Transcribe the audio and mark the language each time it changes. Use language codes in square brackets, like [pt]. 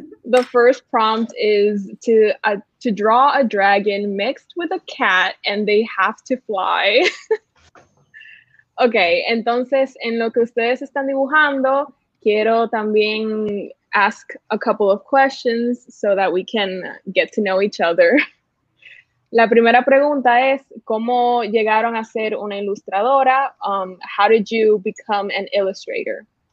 [en] the first prompt is to draw a dragon mixed with a cat and they have to fly. Okay, [es] entonces en lo que ustedes están dibujando, quiero también [en] ask a couple of questions so that we can get to know each other. [es] La primera pregunta es, ¿cómo llegaron a ser una ilustradora? [en] How did you become an illustrator?